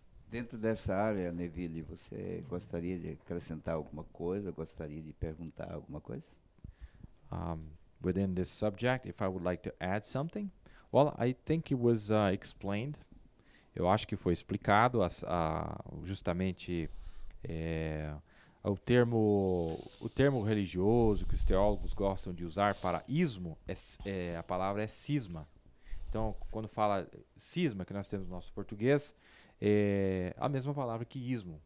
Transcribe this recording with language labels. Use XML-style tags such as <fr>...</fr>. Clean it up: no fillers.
<pt>Dentro dessa área, Neville, você gostaria de acrescentar alguma coisa? Gostaria de perguntar alguma coisa?</pt> <en>within this subject, if I would like to add something. Well, I think it was explained.</en> <pt>Eu acho que foi explicado justamente o termo religioso que os teólogos gostam de usar para ismo, a palavra é cisma. Então, quando fala cisma, que nós temos no nosso português, é a mesma palavra que ismo.</pt>